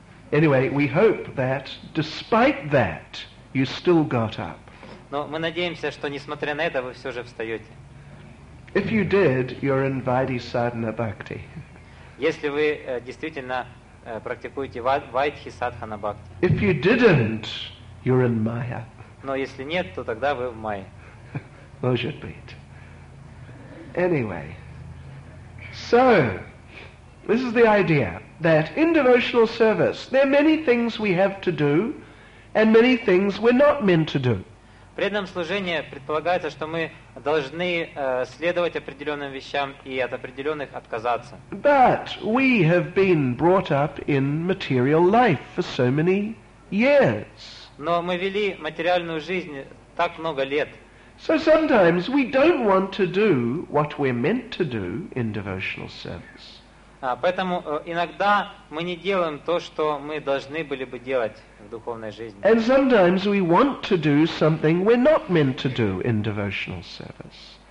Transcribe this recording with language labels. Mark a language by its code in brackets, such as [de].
[en] Anyway, we hope that despite that you still got up. [ru] Но мы надеемся, что несмотря на это вы все же встаете. [en] If you did, you're in Vaidhi Sadhana Bhakti. [ru] Если вы действительно практикуете Vaidhi Sadhana Bhakti. [en] If you didn't, you're in Maya. [ru] Но если нет, то тогда вы в мае. Может быть. Anyway. [en] So, this is the idea that in devotional service there are many things we have to do and many things we're not meant to do. [ru] В преданном служении предполагается, что мы должны следовать определенным вещам и от определенных отказаться. [en] But we have been brought up in material life for so many years. [ru] Но мы вели материальную жизнь так много лет. [en] So sometimes we don't want to do what we're meant to do in devotional service. [ru] Поэтому иногда мы не делаем то, что мы должны были бы делать в духовной жизни. [en] And sometimes we want to do something we're not meant to do in devotional service.